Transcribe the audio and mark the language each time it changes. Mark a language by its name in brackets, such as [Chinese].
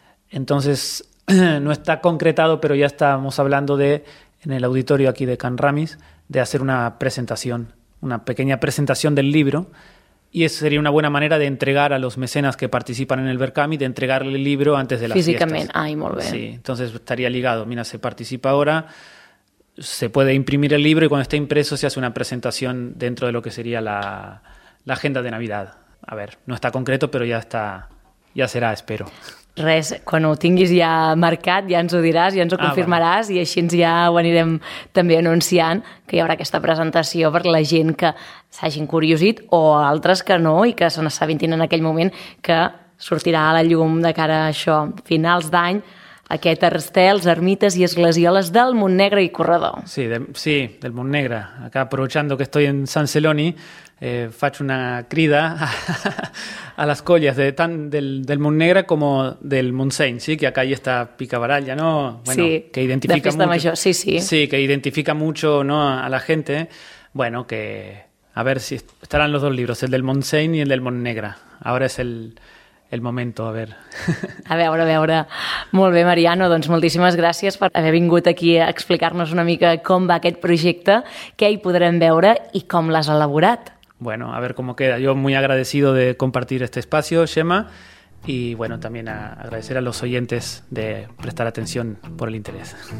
[Spanish] Entonces, no está concretado, pero ya estamos hablando de, en el auditorio aquí de Can Ramis, de hacer una presentación, una pequeña presentación del libro, y eso sería una buena manera de entregar a los mecenas que participan en el Berkami, de entregarle el libro antes de las físicamente Físicamente, ay, muy bien. Sí, entonces estaría ligado. Mira, se participa ahora, se puede imprimir el libro, y cuando esté impreso se hace una presentación dentro de lo que sería la agenda de Navidad. A ver, no está concreto, pero ya está, ya será, espero. [Catalan] Res, quan ho tinguis ja marcat, ja ens ho diràs, ja ens ho confirmaràs, i així ja ho anirem també anunciant, que hi haurà aquesta presentació per la gent que s'hagin curiosit o altres que no i que se n'assabentin en aquell moment, que sortirà a la llum de cara a això, finals d'any, aquest Estels, Ermites i Esglesioles del Montnegre i Corredor. Sí, del Montnegre. [Spanish] Acá, aprovechando que estoy en San Celoni, [Catalan] faig una crida a les colles tant del Montnegre com del Montseny, sí? Que acá hi està Picabaralla, no? [Spanish] Bueno, sí, que identifica [Catalan] de festa major, sí, sí. [Spanish] Sí, que identifica mucho, ¿no?, a la gente. Bueno, que a ver si estarán los dos libros, el del Montseny i el del Montnegre. Ahora es el momento, a ver. [Catalan] A veure, a veure. Molt bé, Mariano, doncs moltíssimes gràcies per haver vingut aquí a explicar-nos una mica com va aquest projecte, què hi podrem veure i com l'has elaborat. [Spanish] Bueno, a ver cómo queda. Yo muy agradecido de compartir este espacio, Gemma, y bueno, también a agradecer a los oyentes de prestar atención por el interés.